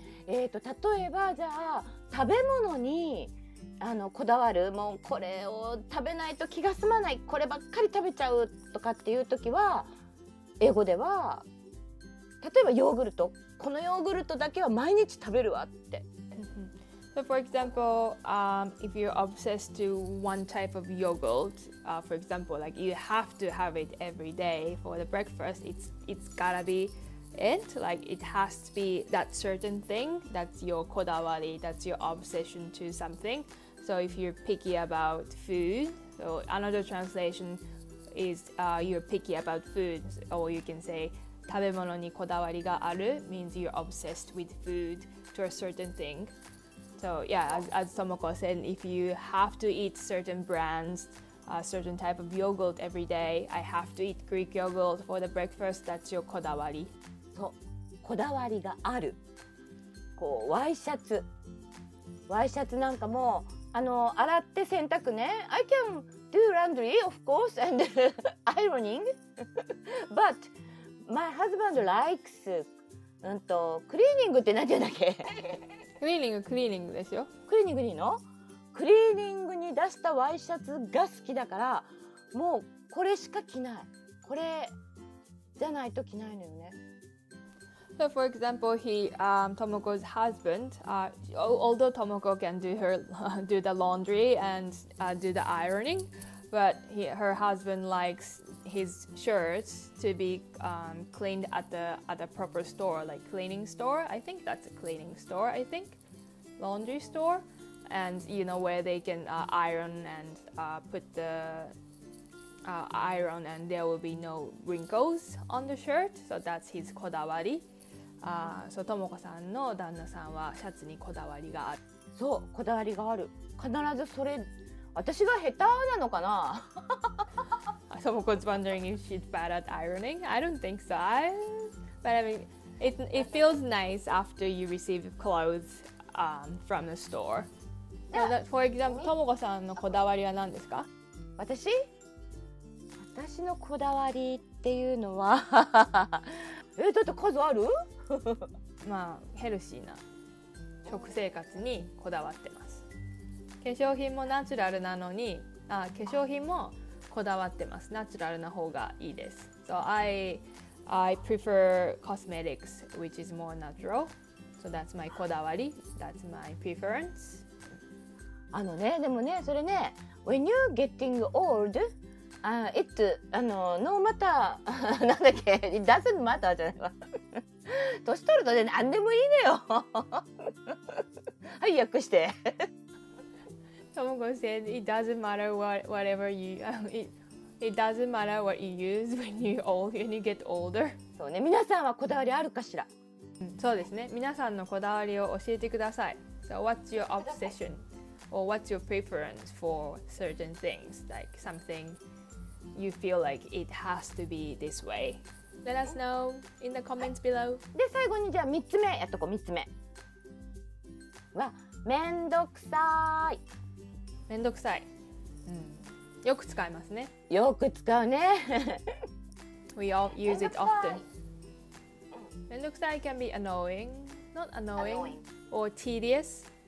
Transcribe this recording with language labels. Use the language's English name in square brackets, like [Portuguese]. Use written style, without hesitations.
[Japanese] 例えばじゃあ食べ物にこだわる。もうこれを食べないと気が済まない。こればっかり食べちゃうとかっていうときは英語では。例えばヨーグルト、このヨーグルトだけは毎日食べるわって。 [English] So for example, if you're obsessed to one type of yogurt, for example, like you have to have it every day for the breakfast, it's gotta be it. Like it has to be that certain thing. That's your kodawari. That's your obsession to something. So if you're picky about food, so another translation is you're picky about food, or you can say. [Japanese] 食べ物にこだわりがある [English] means you're obsessed with food to a certain thing. So yeah, as Tomoko said, if you have to eat certain brands, a certain type of yogurt every day, I have to eat Greek yogurt for the breakfast, that's your こだわり。 [Japanese] そう、こだわりがある。こう、ワイシャツ。ワイシャツなんかも、洗って洗濯ね。 [English] I can do laundry, of course, and ironing. But,My husband likes [Japanese] クリーニングって何て言うんだっけ？クリーニング、クリーニングですよ。クリーニングにいいの？クリーニングに出したワイシャツが好きだから、もうこれしか着ない、これじゃないと着ないのよね。 [English] So for example, he, Tomoko's husband, although Tomoko can do her, do the laundry and, do the ironing, but he, her husband likes his shirts to be, cleaned at the proper store, like cleaning store. I think that's a cleaning store, I think. Laundry store. And you know where they can, iron and, put the, iron and there will be no wrinkles on the shirt. So that's his こだわり。So Tomoko [Japanese] さんの旦那さんはシャツにこだわりがある。そう、こだわりがある。必ずそれ、私が下手なのかな。 [English] Tomoko's wondering if she's bad at ironing. I don't think so. But I mean, it feels nice after you receive clothes, from the store. For example, [Japanese] Tomoko さんのこだわりは何ですか？私のこだわりっていうのはだって数ある？まあ、ヘルシーな食生活にこだわってます。化粧品もナチュラルなのに、あ、化粧品もこだわってます。ナチュラルな方がいいです。 [English] So I prefer cosmetics which is more natural. So that's my こだわり。That's my preference [Japanese] あのね、でもね、それね、 [English] When you getting old, it, no matter, [Japanese] なんだっけ、 [English] it doesn't matter [Japanese] じゃないわ。年取るとね、なんでもいいのよ。はい、訳して。 [English] Tomoko said, it doesn't matter whatever you, it doesn't matter what you use when you old, when you get older. [Japanese] そうね、皆さんはこだわりあるかしら。そうですね、皆さんのこだわりを教えてください。 [English] So what's your obsession? Or what's your preference for certain things? Like something you feel like it has to be this way. Let us know in the comments below. [Japanese] で、最後にじゃあ3つ目やっとこう、3つ目。は、めんどくさい。めんどくさい。うん。よく使いますね。よく使うね。 [English] We all use it often. めんどくさい can be annoying. Not annoying. Or tedious.